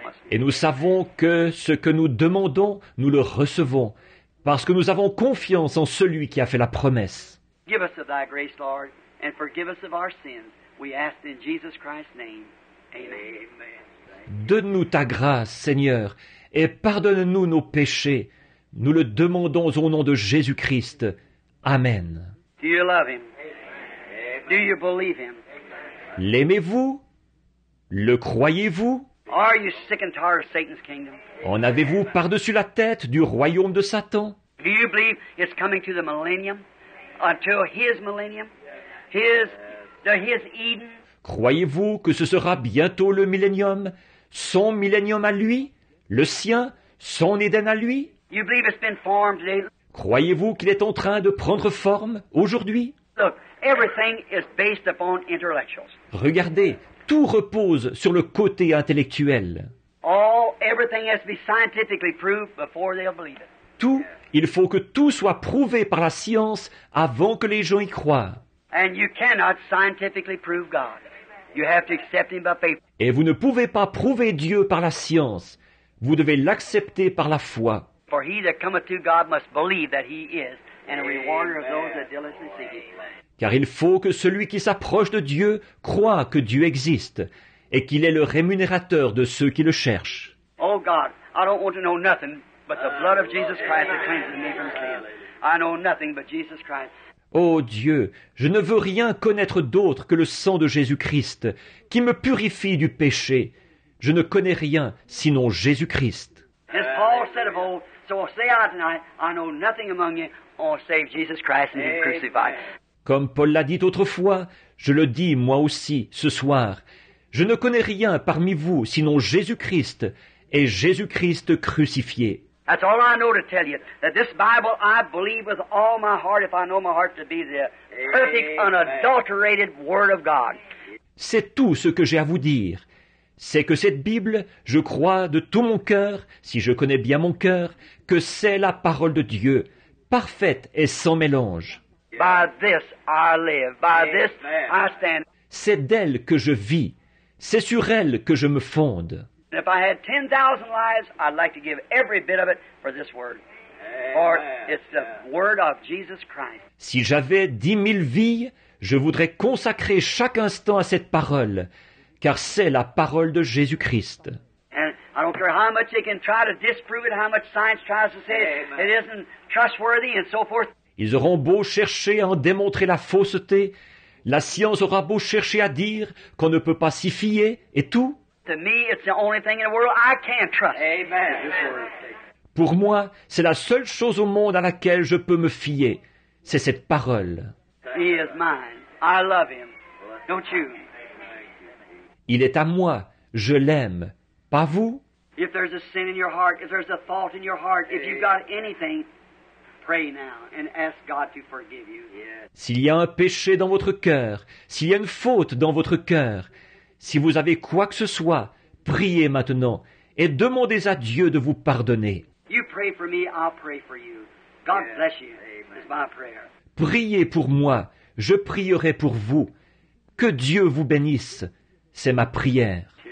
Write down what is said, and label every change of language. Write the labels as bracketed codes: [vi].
[fr] Et nous savons que ce que nous demandons, nous le recevons, parce que nous avons confiance en celui qui a fait la promesse. [en] Give us of thy grace, Lord, and forgive us of our sins. We ask in Jesus Christ's name. Amen. [fr] Donne-nous ta grâce, Seigneur, et pardonne-nous nos péchés. Nous le demandons au nom de Jésus-Christ. Amen. [en] Do you love him? Amen. Do you believe him? [fr] L'aimez-vous? Le croyez-vous? [en] Are you sick and tired of Satan's kingdom? [fr] En avez-vous par-dessus la tête du royaume de Satan? [en] Do you believe it's coming to the millennium? Until his millennium? His Eden? [fr] Croyez-vous que ce sera bientôt le millénium? Son millénium à lui? Le sien? Son Éden à lui? [en] You believe it's been formed today? [fr] Croyez-vous qu'il est en train de prendre forme aujourd'hui? [en] Look, everything is based upon intellectuals. [fr] Regardez, tout repose sur le côté intellectuel. [en] Everything has to be scientifically proved before they'll believe it. [fr] Tout, il faut que tout soit prouvé par la science avant que les gens y croient. [en] And you cannot scientifically prove God. You have to accept him by faith. [fr] Et vous ne pouvez pas prouver Dieu par la science. Vous devez l'accepter par la foi. [en] For he that cometh to God must believe that he is, and a rewarder of those that diligently seek him. [fr] Car il faut que celui qui s'approche de Dieu croit que Dieu existe et qu'il est le rémunérateur de ceux qui le cherchent. [en] Oh God, I don't want to know nothing but the blood of Jesus Christ that cleanses me from sin. I know nothing but Jesus Christ. [fr] Oh Dieu, je ne veux rien connaître d'autre que le sang de Jésus-Christ qui me purifie du péché. Je ne connais rien sinon Jésus-Christ. [en] As Paul said of old, so I'll say out tonight, I know nothing among you all save Jesus Christ and him crucified. [fr] Comme Paul l'a dit autrefois, je le dis moi aussi ce soir. Je ne connais rien parmi vous sinon Jésus-Christ et Jésus-Christ crucifié. [en] That's all I know to tell you, that this Bible I believe with all my heart, if I know my heart to be the perfect, unadulterated Word of God. [fr] C'est tout ce que j'ai à vous dire. C'est que cette Bible, je crois de tout mon cœur, si je connais bien mon cœur, que c'est la parole de Dieu, parfaite et sans mélange. [en] By this I live, by this I stand. [fr] C'est d'elle que je vis, c'est sur elle que je me fonde. [en] If I had 10,000 lives, I'd like to give every bit of it for this word. For it's the word of Jesus Christ. [fr] Si j'avais 10,000 vies, je voudrais consacrer chaque instant à cette parole, car c'est la parole de Jésus Christ. [en] And I don't care how much they can try to disprove it, how much science tries to say it isn't trustworthy and so forth. [fr] Ils auront beau chercher à en démontrer la fausseté, la science aura beau chercher à dire qu'on ne peut pas s'y fier et tout. [en] To me, it's the only thing in the world I can trust. Amen. [fr] Pour moi, c'est la seule chose au monde à laquelle je peux me fier. C'est cette parole. [en] He is mine. I love him. Don't you? [fr] Il est à moi. Je l'aime. Pas vous? [en] If there's a sin in your heart, if there's a fault in your heart, if you've got anything, pray now and ask God to forgive you. [fr] S'il y a un péché dans votre cœur, s'il y a une faute dans votre cœur, si vous avez quoi que ce soit, priez maintenant et demandez à Dieu de vous pardonner. [en] You pray for me, I'll pray for you. God bless you. It's my prayer. [fr] Priez pour moi, je prierai pour vous. Que Dieu vous bénisse. C'est ma prière.